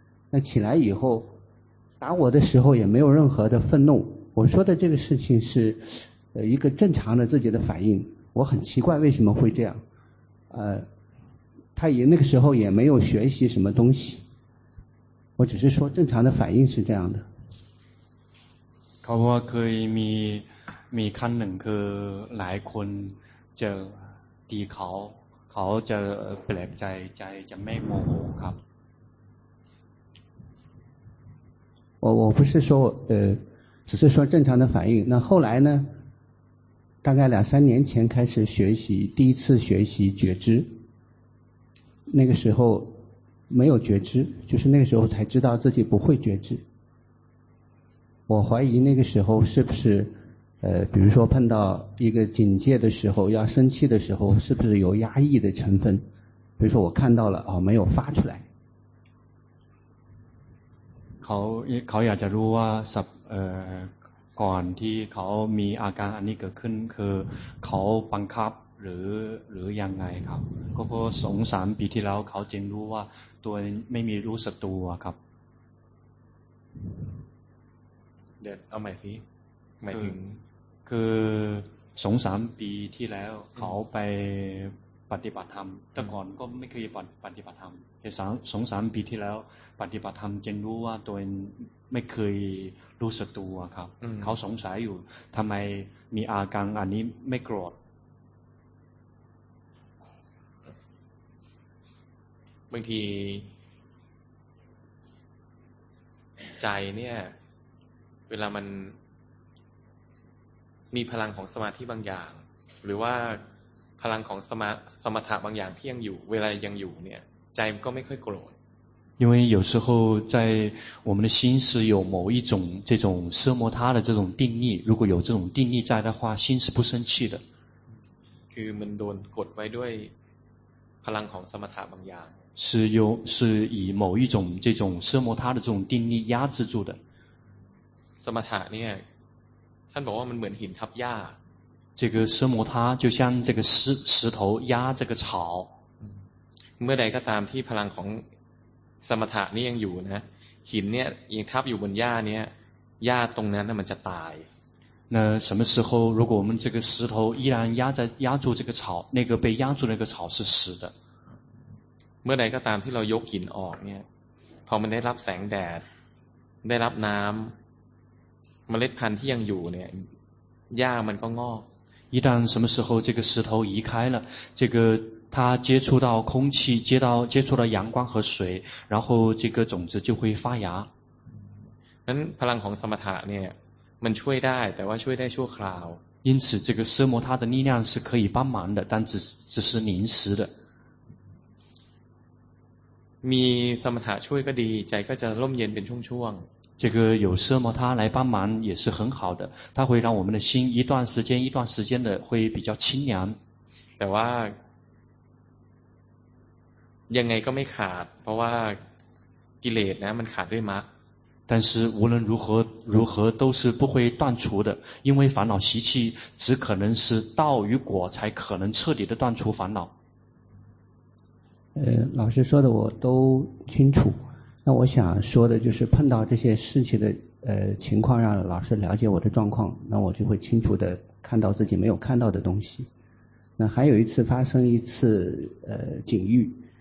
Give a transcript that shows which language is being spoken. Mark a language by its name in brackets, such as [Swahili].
[Chinese] 那起来以后打我的时候也没有任何的愤怒，我说的这个事情是一个正常的自己的反应。我很奇怪为什么会这样，他也那个时候也没有学习什么东西，我只是说正常的反应是这样的。 [Thai] เขาว่าเคยมีขั้นหนึ่งคือหลายคนจะตีเขาจะแปลกใจจะไม่โมโหครับ [Chinese] 我不是说只是说正常的反应。那后来呢，大概两三年前开始学习，第一次学习觉知，那个时候没有觉知，就是那个时候才知道自己不会觉知。我怀疑那个时候是不是比如说碰到一个警戒的时候，要生气的时候，是不是有压抑的成分，比如说我看到了没有发出来。 [Thai] เขาอยากจะรู้ว่าสับก่อนที่เขามีอาการอันนี้เกิดขึ้นคือเขาบังคับหรือยังไงครับก็สงสารปีที่แล้วเขาจึงรู้ว่าตัวไม่มีรู้สึกตัวครับ เดี๋ยวเอาใหม่สิหมายถึง คือสงสารปีที่แล้วเขาไปปฏิบัติธรรมแต่ก่อนก็ไม่เคยปฏิบัติธรรมแต่สงสารปีที่แล้วปฏิบัติธรรมจึงรู้ว่าตัวไม่เคยรู้สึกตัวครับเขาสงสัยอยู่ทำไมมีอาการอันนี้ไม่โกรธ บางทีใจเนี่ยเวลามันมีพลังของสมาธิบางอย่างหรือว่าพลังของสมถะบางอย่างที่ยังอยู่เวลายังอยู่เนี่ยใจก็ไม่ค่อยโกรธ [Chinese] 因为有时候在我们的心是有某一种这种奢摩他的这种定力，如果有这种定力在的话，心是不生气的。 [Thai] คือมันโดนกดไว้ด้วยพลังของสมถะบางอย่าง [Chinese] 是以某一种这种奢摩他的这种定力压制住的。 [Thai] สมถะเนี่ยท่านบอกว่ามันเหมือนหินทับหญ้า [Chinese] 这个奢摩他就像这个石头压这个草 [Thai] เมื่อใดก็ตามที่พลังของสมถะนี่ยังอยู่นะหินเนี่ยยังทับอยู่บนหญ้าเนี่ยหญ้าตรงนั้นน่ะมันจะตาย [Chinese] 那什么时候如果我们这个石头依然压住这个草，那个被压住那个草是死的。 [Thai] เมื่อใดก็ตามที่เรายกหินออกเนี่ยพอมันได้รับแสงแดดได้รับน้ำเมล็ดพันธุ์ที่ยังอยู่เนี่ยหญ้ามันก็งอก [Chinese] 一旦什么时候这个石头移开了，这个它接触到空气，接触到阳光和水，然后这个种子就会发芽。 [Thai] นั้นพลังของสมถะเนี่ยมันช่วยได้แต่ว่าช่วยได้ชั่วคราว [Chinese] 因此这个奢摩他的力量是可以帮忙的，但只是临时的。 [Thai] มีสมถะช่วยก็ดีใจก็จะร่มเย็นเป็นช่วงๆ [Chinese] 这个有奢摩他来帮忙也是很好的，它会让我们的心一段时间的会比较清凉。 [Thai] แต่ว่ายังไงก็ไม่ขาดเพราะว่ากิเลสนะมันขาดด้วยมรรค [Chinese] 但是无论如何都是不会断除的，因为烦恼习气只可能是道与果才可能彻底的断除烦恼。老师说的我都清楚。那我想说的就是碰到这些事情的情况，让老师了解我的状况，那我就会清楚的看到自己没有看到的东西。那还有一次发生一次警狱，